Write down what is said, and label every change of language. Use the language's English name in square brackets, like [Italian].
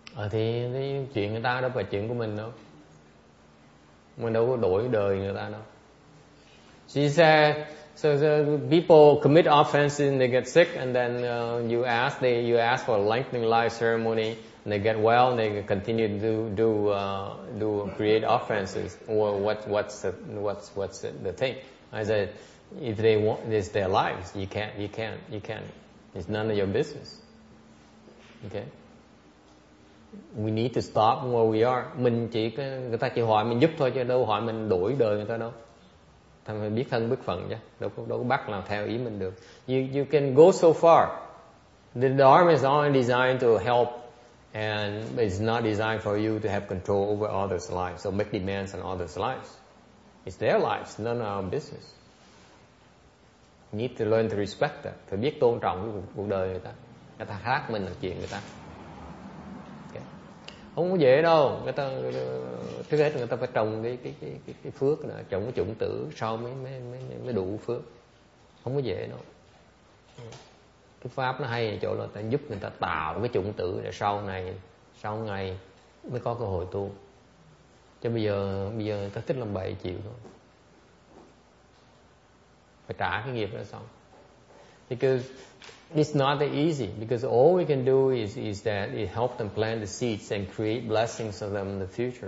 [Vietnamese] Thì chuyện người ta đó phải chuyện của mình đâu. Mình đâu có đổi đời người ta đâu. [English] She said, so people commit offenses and they get sick, and then you ask for a lengthening life ceremony and they get well and they continue to do create offenses. Well, what's the thing? I said, if they want, it's their lives. You can't. It's none of your business. Okay. We need to stop where we are. [Vietnamese] Mình chỉ người ta chỉ hỏi mình giúp thôi chứ đâu hỏi mình đổi đời người ta đâu. Thành phải biết thân biết phận chứ. Đâu có bắt làm theo ý mình được. [English] You can go so far. The Dharma is only designed to help, and it's not designed for you to have control over others' lives. So make demands on others' lives. It's their lives, none of our business. You need to learn to respect that. [Vietnamese] Phải biết tôn trọng cuộc đời người ta. Người ta khác mình là chuyện người ta. Không có dễ đâu, người ta trước hết người ta phải trồng cái phước nè, trồng cái chủng tử sau mới đủ phước, không có dễ đâu. Cái pháp nó hay ở chỗ là ta giúp người ta tạo cái chủng tử để sau này mới có cơ hội tu. Chứ bây giờ ta thích làm bậy chịu thôi, phải trả cái nghiệp đó xong. [English] It's not that easy, because all we can do is that it helps them plant the seeds and create blessings for them in the future.